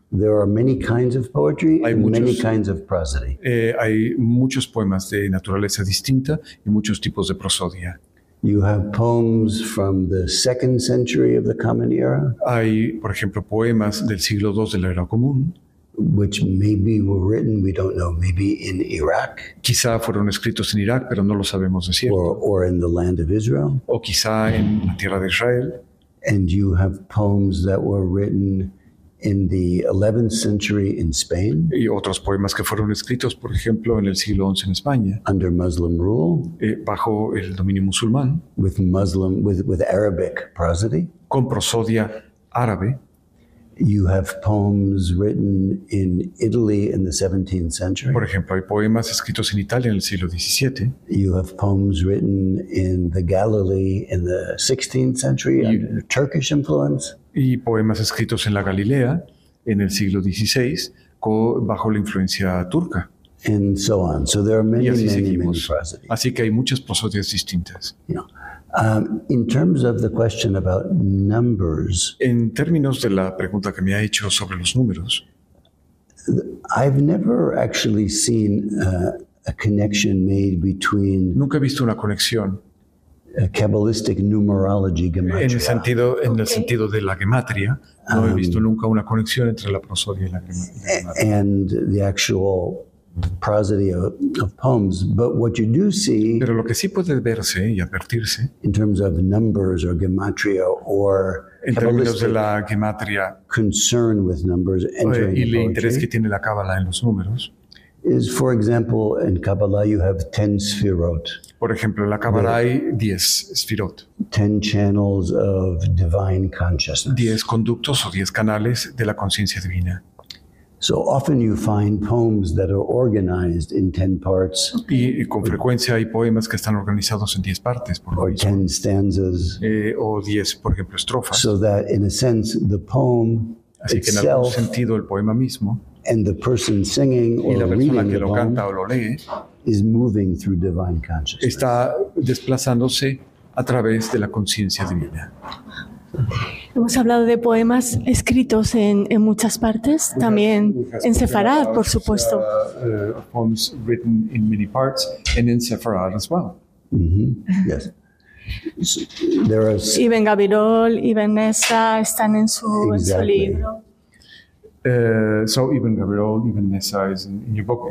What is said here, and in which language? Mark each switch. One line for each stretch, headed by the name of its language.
English: There are many kinds of poetry and many kinds of prosody.
Spanish: Hay muchos poemas de naturaleza distinta y muchos tipos de prosodia.
English: You have poems from the second century of the Common Era.
Spanish: Hay, por ejemplo, poemas del siglo II de la Era Común.
English: Which maybe were written, we don't know, maybe in Iraq.
Spanish: Quizá fueron escritos en Irak, pero no lo sabemos de cierto.
English: Or in the land of Israel.
Spanish: O quizá en la tierra de Israel.
English: And you have poems that were written in the 11th century in Spain.
Spanish: Y otros poemas que fueron escritos, por ejemplo, en el siglo XI en España.
English: Under Muslim rule.
Spanish: Bajo el dominio musulmán.
English: With Arabic prosody.
Spanish: Con prosodia árabe.
English: You have poems written in Italy in the 17th century.
Spanish: Por ejemplo, hay poemas escritos en Italia en el siglo XVII.
English: You have poems written in the Galilee in the 16th century under Turkish influence.
Spanish: Y poemas escritos en la Galilea en el siglo XVI bajo la influencia turca.
English: And so on. So there are many, many, many prosodies.
Spanish: Así que hay muchas prosodias distintas.
English: Yeah. In terms of the question about numbers,
Spanish: en términos de la pregunta que me ha hecho sobre los números,
English: I've never actually seen a connection made between.
Spanish: Nunca he visto una conexión.
English: A Kabbalistic numerology, gematria.
Spanish: En el sentido de la gematria, no he visto nunca una conexión entre la prosodia y la gematria.
English: And the actual prosody of poems, but what you do see.
Spanish: Pero lo que sí puede verse y advertirse.
English: In terms of numbers or gematria or.
Spanish: En términos de la gematria.
English: Concern with numbers entering poetry.
Spanish: Y el interés que tiene la cábala en los números.
English: Is, for example, in Kabbalah you have 10 sefirot.
Spanish: Por ejemplo, en la Kabbalah hay 10 sefirot.
English: 10 channels of divine consciousness.
Spanish: 10 conductos o 10 canales de la conciencia divina.
English: So often you find poems that are organized in 10 parts.
Spanish: Y con frecuencia hay poemas que están organizados en 10 partes.
English: Por or 10 stanzas.
Spanish: O 10, por ejemplo, estrofas.
English: So that, in a sense, the poem
Spanish: así
English: itself.
Spanish: Así que en algún sentido el poema mismo.
English: And the person singing or reading the poem
Spanish: canta o lo lee,
English: is moving through divine consciousness.
Spanish: Está desplazándose a través de la conciencia divina. Hemos hablado de poemas escritos en muchas partes, también en Sefarad, por supuesto.
English: Poems written in many parts and in Sefarad as well. Mm-hmm. Yes. There are.
Spanish: Ibn Gabirol, Ibn Ezra están en su,
English: exactly.
Spanish: En su libro.
English: So Ibn Gabirol, Ibn Ezra is in your book.